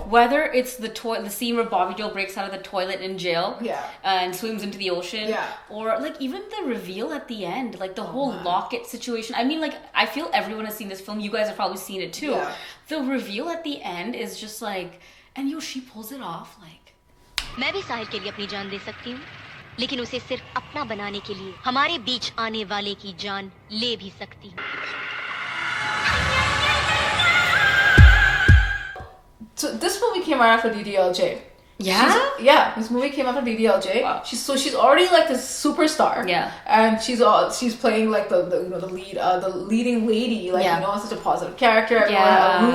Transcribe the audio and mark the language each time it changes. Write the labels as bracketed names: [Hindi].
[English] Whether it's the scene where Bobby Deol breaks out of the toilet in jail and swims into the ocean. Yeah. Or like even the reveal at the end, like the whole locket situation. I mean, like, I feel everyone has seen this film. You guys have probably seen it too. Yeah. The reveal at the end is just like, and yo, she pulls it off like. [Hindi] मैं भी साहिल के लिए अपनी जान दे सकती हूँ, लेकिन उसे सिर्फ अपना बनाने के लिए हमारे बीच आने वाले की जान ले भी सकती हूँ। [English] So this movie came out after DDLJ. This movie came out after DDLJ. Wow. She's already like this superstar. Yeah. And she's playing like the leading lady. Like, you know, such a positive character. Yeah.